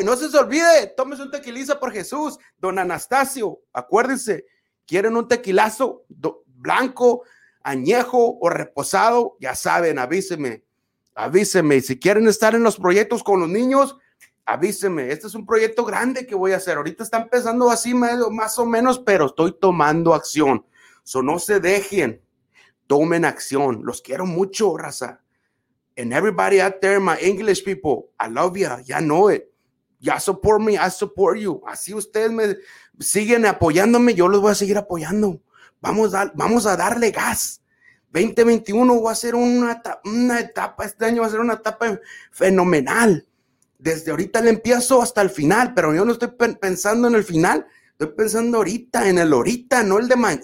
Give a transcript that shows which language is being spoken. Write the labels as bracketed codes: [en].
[es] Y no se les olvide, tómese un tequiliza por Jesús. Don Anastasio, acuérdense, ¿quieren un tequilazo blanco, añejo o reposado? Ya saben, avíseme. Avíseme. Y si quieren estar en los proyectos con los niños, avíseme. Este es un proyecto grande que voy a hacer. Ahorita está empezando así más o menos, pero estoy tomando acción. So, no se dejen. Tomen acción. Los quiero mucho, raza. [en] And everybody out there, my English people, I love you. Ya know it. Ya support me, I support you. [es] Así ustedes me siguen apoyándome, yo los voy a seguir apoyando. Vamos a darle gas. 2021 va a ser una etapa, este año va a ser una etapa fenomenal. Desde ahorita le empiezo hasta el final, pero yo no estoy pensando en el final, estoy pensando ahorita, en el ahorita, no el de mañana.